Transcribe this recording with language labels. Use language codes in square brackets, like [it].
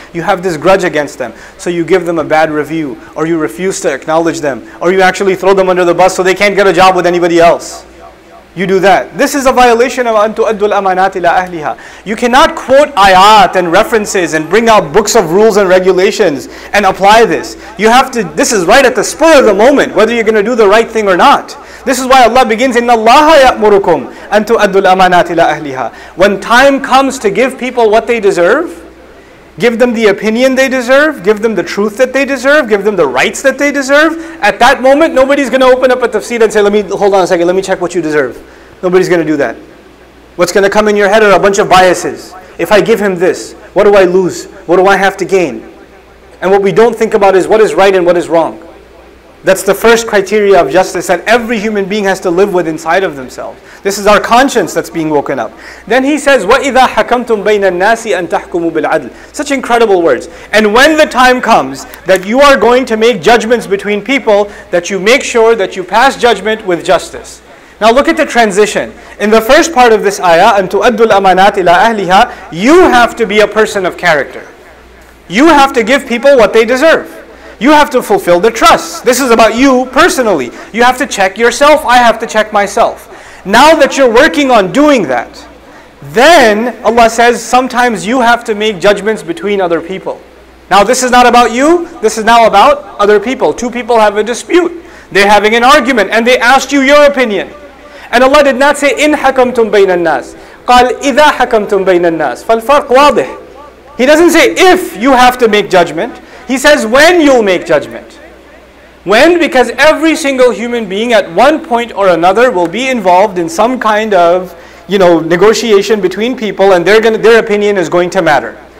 [en] You have this grudge against them. So you give them a bad review, or you refuse to acknowledge them, or you actually throw them under the bus so they can't get a job with anybody else. You do that. This is a violation of [ar] أَنْ تُؤَدُّ الْأَمَانَاتِ إِلَىٰ أَهْلِهَا. [en] You cannot quote ayat and references and bring out books of rules and regulations and apply this. You have to, this is right at the spur of the moment, whether you're going to do the right thing or not. This is why Allah begins, [ar] إِنَّ اللَّهَ يَأْمُرُكُمْ أَنْ تُؤَدُّ الْأَمَانَاتِ إِلَىٰ أَهْلِهَا. [en] When time comes to give people what they deserve, give them the opinion they deserve, give them the truth that they deserve, give them the rights that they deserve. At that moment, nobody's going to open up a tafsir and say, let me check what you deserve. Nobody's going to do that. What's going to come in your head are a bunch of biases. If I give him this, what do I lose? What do I have to gain? And what we don't think about is what is right and what is wrong. That's the first criteria of justice that every human being has to live with inside of themselves. This is our conscience that's being woken up. Then he says, [ar] وَإِذَا حَكَمْتُمْ بَيْنَ النَّاسِ أَن تَحْكُمُوا بِالْعَدْلِ. [en] Such incredible words. And when the time comes that you are going to make judgments between people, that you make sure that you pass judgment with justice. Now look at the transition. In the first part of this ayah, [ar] أَن تُؤَدُّ الْأَمَانَاتِ إِلَىٰ أَهْلِهَا, [en] you have to be a person of character. You have to give people what they deserve. You have to fulfill the trust. This is about you personally. You have to check yourself. I have to check myself. Now that you're working on doing that, then Allah says, sometimes you have to make judgments between other people. Now this is not about you. This is now about other people. Two people have a dispute. They're having an argument and they asked you your opinion. And Allah did not say, [ar] إِنْ حَكَمْتُمْ بَيْنَ النَّاسِ قَالْ إِذَا حَكَمْتُمْ بَيْنَ النَّاسِ فَالْفَرْقْ وَاضِحِ. [en] He doesn't say, if you have to make judgment. He says, when you'll make judgment. When? Because every single human being at one point or another will be involved in some kind of, you know, negotiation between people, and their opinion is going to matter.